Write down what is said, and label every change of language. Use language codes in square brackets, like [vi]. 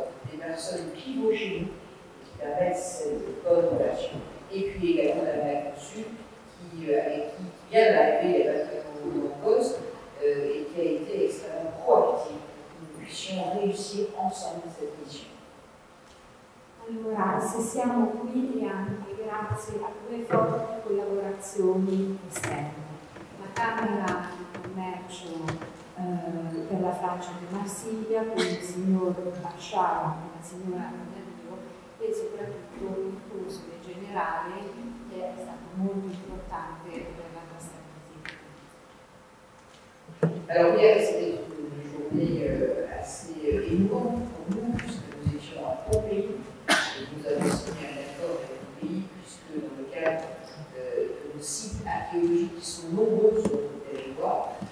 [fr] Des personnes pivot chez nous qui permettent cette bonne relation. Et puis également la mère Consul qui vient d'arriver à la période de cause et qui a été extrêmement proactive pour que nous puissions réussir ensemble cette mission. [it] Allora, se siamo qui è anche grazie a due forti collaborazioni esterne. La Camera di Commercio per la Francia di Marsiglia con il signor Basciano e la signora Mignadio e soprattutto il console generale che è stato molto importante per la nostra visita. Allora, ieri è stata una giornata [fr] assez émouvante per noi, puisque nous étions à Pompéi e nous avons signé [it] un accordo [fr] avec Pompéi, puisque dans le cadre de nos sites archéologiques qui sont nombreux sur le territoire.